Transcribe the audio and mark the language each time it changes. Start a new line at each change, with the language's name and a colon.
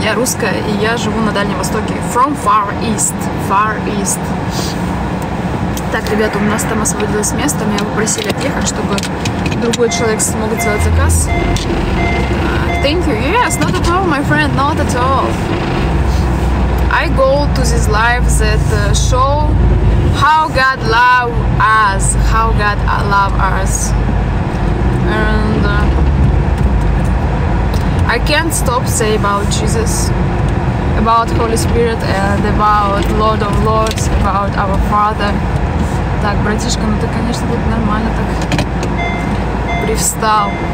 Russian: Я русская, и я живу на Дальнем Востоке.
English: From Far East. Far East.
Russian: Так, ребята, у нас там освободилось место. Меня попросили отъехать, чтобы другой человек смог сделать заказ.
English: Thank you. Yes, not at all, my friend. Not at all. I go to these lives that show how God love us, how God love us. And I can't stop say about Jesus, about Holy Spirit, and about Lord of Lords, about our Father.
Russian: Так, братишка, ну ты, конечно, тут нормально так привстал.